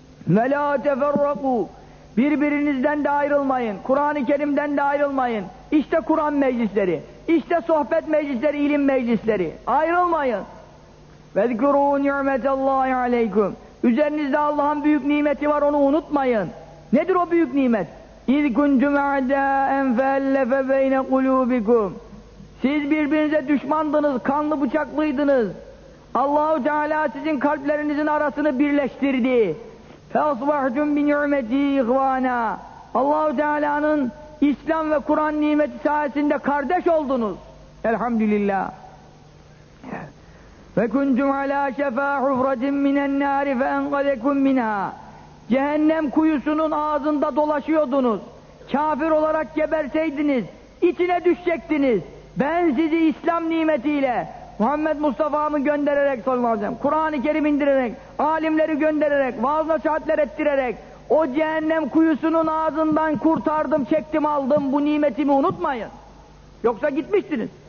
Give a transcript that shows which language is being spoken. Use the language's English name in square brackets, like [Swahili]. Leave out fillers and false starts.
[Arabic] وَلَا تَفَرَّقُوا [Turkish] Birbirinizden de ayrılmayın, Kur'an-ı Kerim'den de ayrılmayın. İşte Kur'an meclisleri, işte sohbet meclisleri, ilim meclisleri. Ayrılmayın. [Arabic] وَذْكُرُوا نِعْمَةَ اللّٰهِ عَلَيْكُمْ [Turkish] Üzerinizde Allah'ın büyük nimeti var, onu unutmayın. Nedir o büyük nimet? [Arabic] اِذْ كُنْتُمْ اَعْدَاءً فَاَلَّفَ بَيْنَ قُلُوبِكُمْ [Turkish] Siz birbirinize düşmandınız, kanlı bıçaklıydınız. Allah-u Teala sizin kalplerinizin arasını birleştirdi. [Arabic] فَاَصْبَحْتُمْ بِنِعْمَتِهِ اِخْوَانَا [Turkish] Allah-u Teala'nın İslam ve Kur'an nimeti sayesinde kardeş oldunuz. Elhamdülillah. [Arabic] فَكُنْتُمْ عَلٰى شَفَا حُفْرَةٍ مِنَ النَّارِ فَاَنْقَذَكُمْ مِنْهَا [Turkish] Cehennem kuyusunun ağzında dolaşıyordunuz. Kafir olarak geberseydiniz, içine düşecektiniz. Ben sizi İslam nimetiyle, Muhammed Mustafa'mı göndererek, Kur'an-ı Kerim indirerek, alimleri göndererek, vaaz nasihatler ettirerek, o cehennem kuyusunun ağzından kurtardım, çektim, aldım, bu nimetimi unutmayın. Yoksa gitmiştiniz.